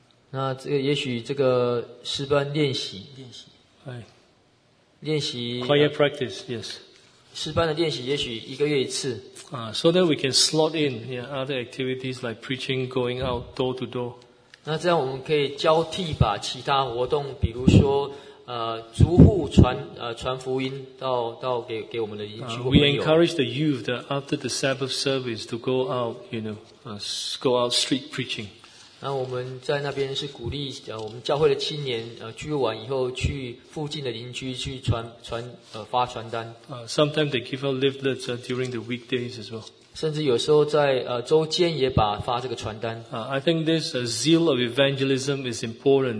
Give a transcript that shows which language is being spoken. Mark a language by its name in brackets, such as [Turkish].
[Chinese] 那这个也许这个诗班练习。练习 [English] choir practice, yes. [Chinese] 诗班的练习也许一个月一次。 [English] So that we can slot in other activities like preaching, going out door to door. [Chinese] 那这样我们可以交替把其他活动，比如说逐户传福音到给我们的邻居或朋友。 [English] We encourage the youth that after the Sabbath service to go out, you know, go out street preaching. [Chinese] 那我们在那边是鼓励我们教会的青年聚完以后去附近的邻居去发传单。 [English] Sometimes they give out leaflets during the weekdays as well. [Chinese] 甚至有时候在周间也发这个传单。 [English] I think this zeal of evangelism is important.